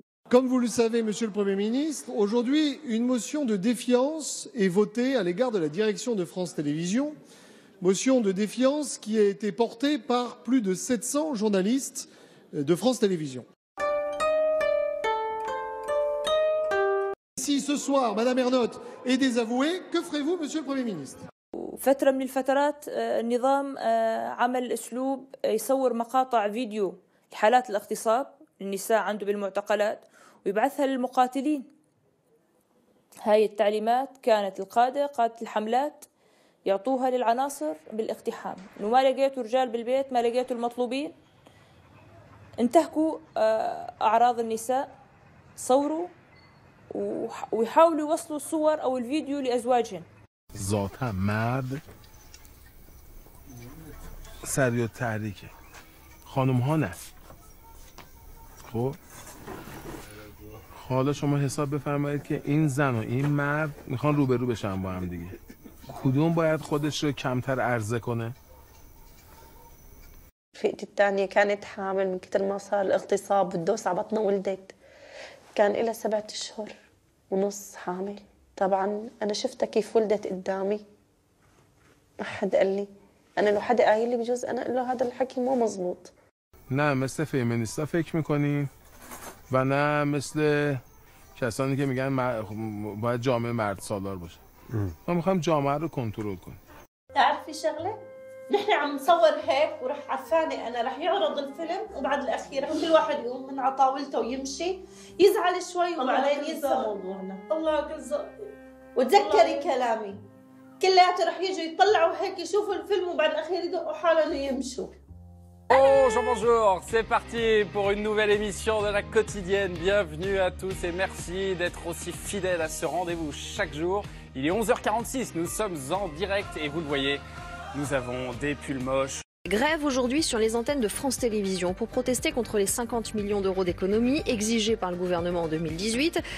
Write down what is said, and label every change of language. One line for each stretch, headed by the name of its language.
French: Comme vous le savez, Monsieur le Premier ministre, aujourd'hui, une motion de défiance est votée à l'égard de la direction de France Télévisions. Motion de défiance qui a été portée par plus de 700 journalistes de France Télévisions. Si ce soir, Madame Ernaut est désavouée, que ferez-vous, Monsieur le Premier ministre ?
Arabic: فترة من الفترات نظام عمل أسلوب يصور مقاطع فيديو لحالات الاغتصاب النساء عنده بالمعتقلات. ويبعثها للمقاتلين هاي التعليمات كانت القادة قادة الحملات يعطوها للعناصر بالاقتحام وما لقيتوا رجال بالبيت ما لقيتوا المطلوبين انتهكوا أعراض النساء صوروا ويحاولوا يوصلوا الصور أو الفيديو لأزواجهم ذاتها مرد سريع تحريكه خانمها نه خب
Persian: حالا شما حساب بفرمایید که این زن و این مرد میخوان روبرو بشن با هم دیگه، کدوم باید خودش رو کمتر عرضه کنه؟
Arabic: فئتي الثانية كانت حامل من كتر ما صار الاغتصاب والدوس عبطنا ولدت، كان إلها 7 أشهر ونص حامل. طبعا أنا شفتها كيف ولدت قدامي، ما حد قال لي، أنا لو حدا قايل لي بجوز أنا أقول له هذا الحكي مو مزبوط.
Persian: نه مثل فيمينيستا فکر میکنی و نه مثل کسانی که میگن باید جامعه مرد سالار باشه. ما میخوایم جامعه رو کنترل کنیم.
Arabic: تعرفي شغلة؟ نحن عم نصور هيك وراح عفاني انا راح يعرض الفيلم وبعد الاخير راح كل واحد يقوم من على طاولته ويمشي يزعل شوي وبعدين ينسى موضوعنا. الله يكرمك وتذكري كلامي، كلياته راح يجوا يطلعوا هيك يشوفوا الفيلم وبعد الاخير يدقوا حالهم ويمشوا.
French: Bonjour, bonjour, c'est parti pour une nouvelle émission de La Quotidienne. Bienvenue à tous et merci d'être aussi fidèles à ce rendez-vous chaque jour. Il est 11h46, nous sommes en direct et vous le voyez, nous avons des pulls moches. Grève aujourd'hui sur les antennes de France Télévisions pour protester contre les 50 millions d'euros d'économies exigées par le gouvernement en 2018.